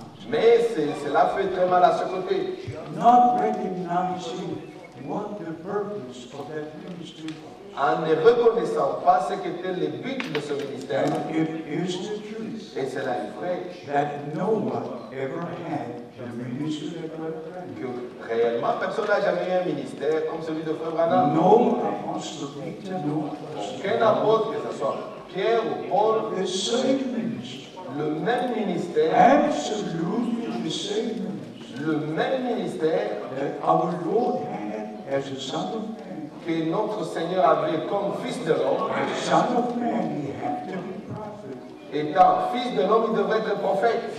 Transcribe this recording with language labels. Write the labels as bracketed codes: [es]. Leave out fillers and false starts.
[fr] Mais cela fait très mal à ce côté. [en] Not recognizing what the purpose of that ministry was. [fr] En ne reconnaissant pas ce qu'était le but de ce ministère. [en] And it is the truth. [fr] Et cela est vrai. [en] That no one ever had the ministry of Brother Branham. [fr] Que réellement personne n'a jamais eu un ministère comme celui de Frère Branham. [en] No apostle Peter, no apostle. [fr] Quel apôtre que ce soit, Pierre ou Paul. [en] The same ministry. [fr] Le même ministère. [en] Absolutely the same ministry. [fr] Le même ministère. [en] That our Lord had as a son of man. [fr] Que notre Seigneur avait comme fils de l'homme. [en] As son of man, he had to be prophet. [fr] Étant fils de l'homme, il devait être prophète.